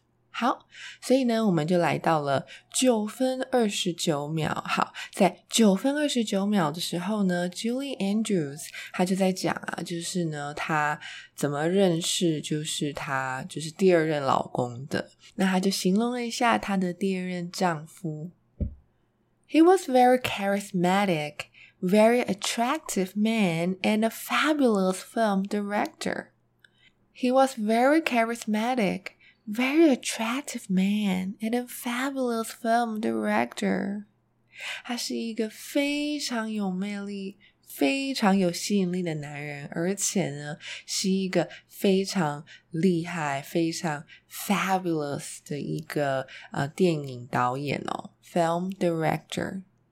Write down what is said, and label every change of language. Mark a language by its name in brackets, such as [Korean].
[Chinese] 好，所以呢我们就来到了9分29秒。好，在9分29秒的时候呢， Julie Andrews 他就在讲啊，就是呢他怎么认识就是他就是第二任老公的。那他就形容了一下他的第二任丈夫。 [English] He was very charismaticVery attractive man and a fabulous film director. He was very charismatic, very attractive man and a fabulous film director. [Chinese] 他是一个非常有魅力，非常有吸引力的男人，而且呢，是一个非常厉害，非常 fabulous 的一个电影导演哦， film director.